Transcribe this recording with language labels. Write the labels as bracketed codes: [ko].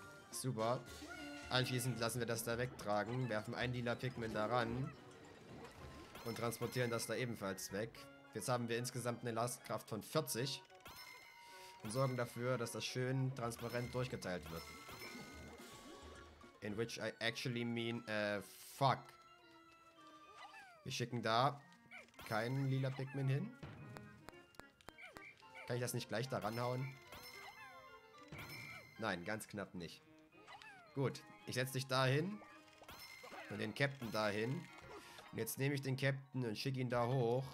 [de] Super. Anschließend lassen wir das da wegtragen, werfen ein lila Pikmin daran. Und transportieren das da ebenfalls weg. Jetzt haben wir insgesamt eine Lastkraft von 40. Und sorgen dafür, dass das schön transparent durchgeteilt wird. [en] In which I actually mean, fuck. [de] Wir schicken da keinen lila Pikmin hin. Kann ich das nicht gleich da ranhauen? Nein, ganz knapp nicht. Gut, ich setze dich da hin. Und den Captain da hin. Und jetzt nehme ich den Captain und schicke ihn da hoch.